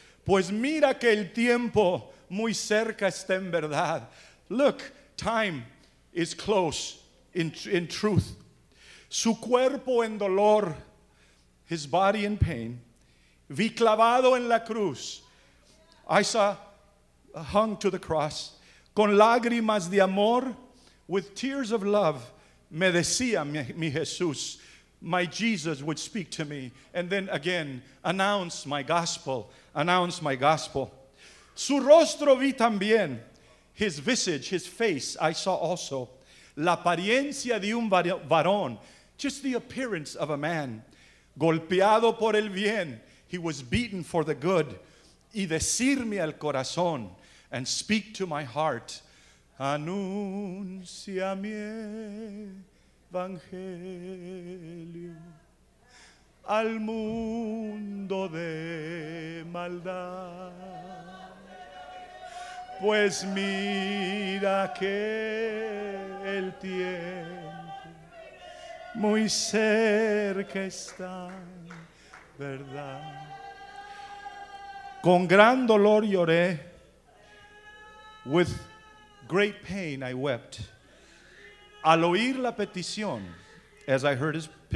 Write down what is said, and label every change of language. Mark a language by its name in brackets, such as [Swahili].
[Spanish] Pues mira que el tiempo muy cerca está en verdad. [English] Look, time is close in truth. [Spanish] Su cuerpo en dolor. [English] His body in pain. [Spanish] Vi clavado en la cruz. [English] I saw hung to the cross. [Spanish] Con lágrimas de amor. [English] With tears of love. [Spanish] Me decía mi Jesús. [English] My Jesus would speak to me. And then again, announce my gospel. Announce my gospel. [Spanish] Su rostro vi también. [English] His visage, his face, I saw also. [Spanish] La apariencia de un varón. [English] Just the appearance of a man. [Spanish] Golpeado por el bien, [English] he was beaten for the good. [Spanish] Y decirme al corazón, [English] and speak to my heart. [Spanish] Anuncia mi evangelio al mundo de maldad. Pues mira que el tiempo muy cerca está, verdad. Con gran dolor lloré. [English] With great pain I wept. [Spanish] Al oír la petición, [English] as I heard his